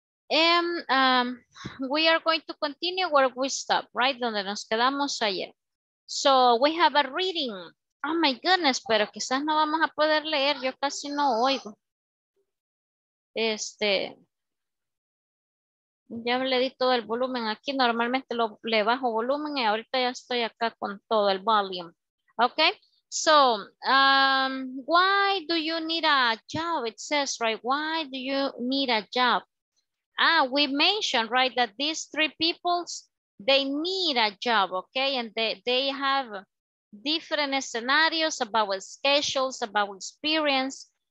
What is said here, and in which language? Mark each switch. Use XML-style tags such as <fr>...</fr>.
<en>We are going to continue where we stopped, right?</en> <es>Donde nos quedamos ayer.</es> <en>So we have a reading. Oh my goodness,</en> <es>pero quizás no vamos a poder leer. Yo casi no oigo. Ya le di todo el volumen aquí. Normalmente le bajo volumen y ahorita ya estoy acá con todo el volume.</es> <en>Okay. So, why do you need a job? It says, right, why do you need a job? Ah, we mentioned, right, that these three peoples, they need a job, okay? And they have different scenarios about schedules, about experience.</en>